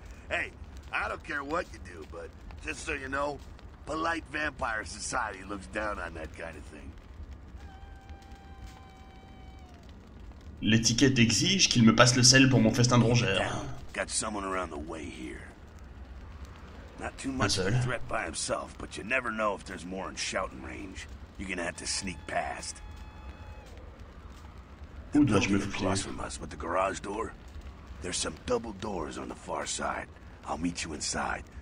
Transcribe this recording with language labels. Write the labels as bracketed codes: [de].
[en] Hey, I don't care what you do, but just so you know, polite vampire society looks down on that kind of thing. [fr] L'étiquette exige qu'il me passe le sel pour mon festin de rongeur. [en] Got someone around the way here. Not too much of a threat by himself, but you never know if there's more in shouting range. You're gonna have to sneak past. With the garage door, there's some double doors on the far side. I'll meet you inside.